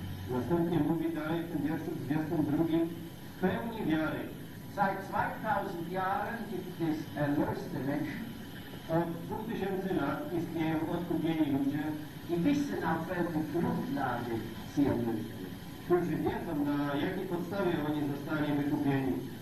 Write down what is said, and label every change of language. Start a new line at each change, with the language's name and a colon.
Polish: Następnie mówi dalej w tym wierszu 22 w pełni wiary.
German: Seit 2000 Jahren gibt es erlöste Menschen.
Polish: Od 2000 lat istnieją odkupieni ludzie.
German: Die wissen auf welcher Grundlage sie erlöst werden.
Polish: Którzy wiedzą, na jakiej podstawie oni zostali wykupieni.